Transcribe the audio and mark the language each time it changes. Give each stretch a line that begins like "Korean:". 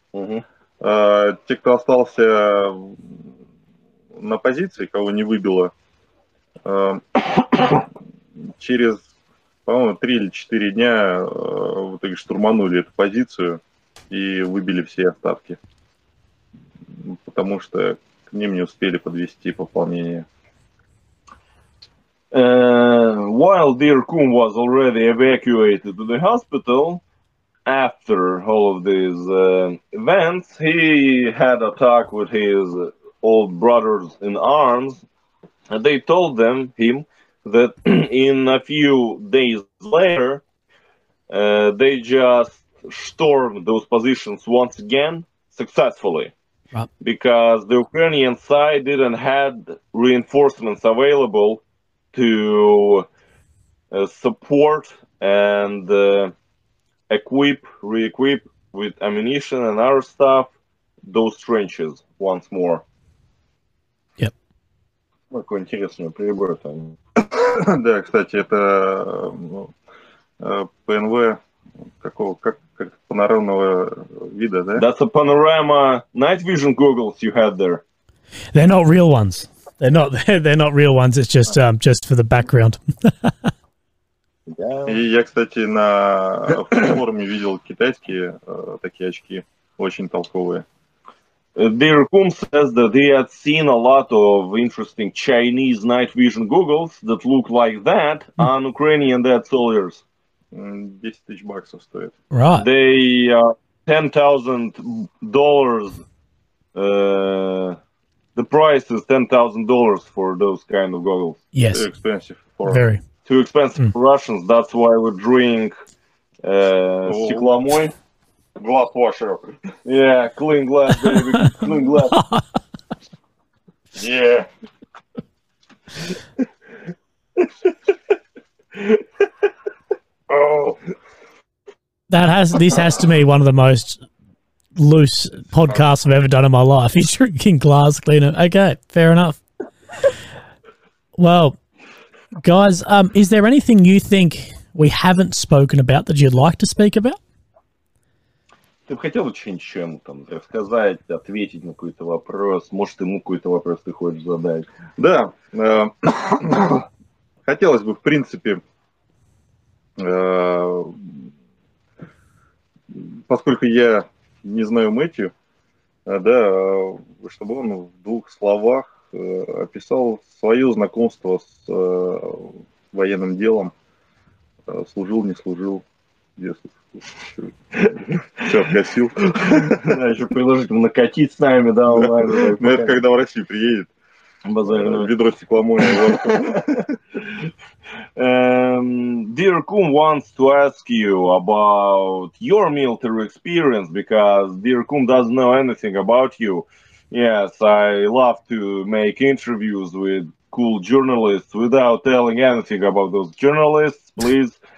Russian: Те, кто остался на позиции, кого не выбило, через, по-моему, 3 или 4 дня в итоге штурманули эту позицию и выбили все остатки, потому что к ним не успели подвести пополнение.
English: While the Irkum was already evacuated to the hospital after all of these events, he had a talk with his old brothers in arms, and they told them, him, that in a few days later, they just stormed those positions once again successfully. Right. Because the Ukrainian side didn't have reinforcements available to support and re-equip with ammunition and other stuff those trenches once more. Yep.
Russian: Какой интересный прибор там. Да, кстати, это ПНВ какого, как панорамного вида, да?
English: That's a panorama night vision goggles you had there. They're not real ones. They're not real ones. It's just for the background.
Russian: И я, кстати, на форуме видел китайские такие очки, очень толковые.
English: Dear Kum says that he had seen a lot of interesting Chinese night vision goggles that look like that on Ukrainian dead soldiers. $10,000 of stuff. Right. They are $10,000. The price is $10,000 for those kind of goggles. Yes. Too expensive for very. Too expensive for Russians. That's why we drink Stiklomoy. Glass washer. Yeah, clean glass, baby. Clean glass. Yeah. Oh. This has to be one of the most loose podcasts I've ever done in my life. He's drinking glass cleaner. Okay, fair enough. Well, guys, is there anything you think we haven't spoken about that you'd like to speak about?
Russian: Ты бы хотел что-нибудь еще ему там рассказать, ответить на какой-то вопрос? Может, ему какой-то вопрос ты хочешь задать? Да. Хотелось бы, в принципе, поскольку я не знаю Мэтью, да, чтобы он в двух словах описал свое знакомство с военным делом. Служил, не служил. Все, косил. Да, еще предложить ему накатить с нами, да, он, да. Ну, это когда в Россию приедет. Базар, да. Ведро стекломоя.
English: Dear Kum wants to ask you about your military experience, because Dear Kum doesn't know anything about you. Yes, I love to make interviews with cool journalists without telling anything about those journalists. Please